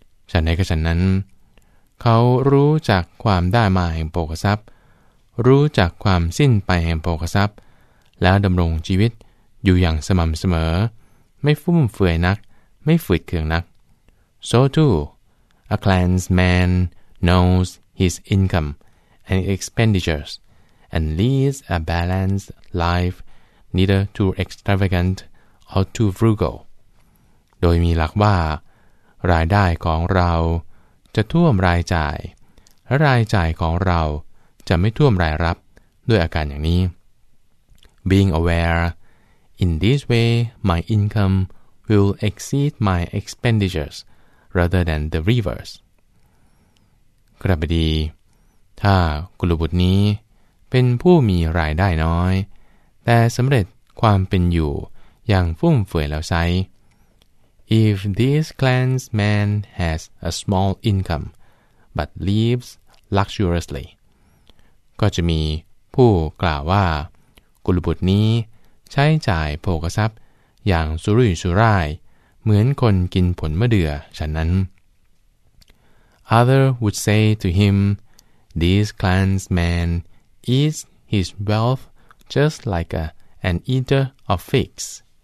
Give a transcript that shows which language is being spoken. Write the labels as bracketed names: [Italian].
[Thai] ฉันในกระฉันนั้นเขารู้จักความได้มาแห่งโภคทรัพย์รู้จักความสิ้นไปแห่งโภคทรัพย์แล้วดำรงชีวิตอยู่อย่างสม่ำเสมอไม่ฟุ่มเฟือยนักไม่ฝืดเคืองนัก [English] So too, a clansman knows his income and expenditures and leads a balanced life, neither too extravagant or too frugal. [Thai] โดยมีหลักว่ารายได้ของเราจะท่วมรายจ่ายและรายจ่ายของเราจะไม่ท่วมรายรับด้วยอาการอย่างนี้ [English] Being aware, in this way my income will exceed my expenditures rather than the reverse. [Thai] กระบดีถ้ากุลบุตรนี้เป็นผู้มีรายได้น้อยแต่สำเร็จความเป็นอยู่อย่างฟุ่มเฟือยแล้วไซ [English] If this clansman has a small income but lives luxuriously [Thai] ก็จะมีผู้กล่าวว่ากุลบุตรนี้ใช้จ่ายโภคทรัพย์อย่างสุรุ่ยสุร่ายเหมือนคนกินผลมะเดื่อฉะนั้น [English] Other would say to him, this clansman eats his wealth just like an eater of figs.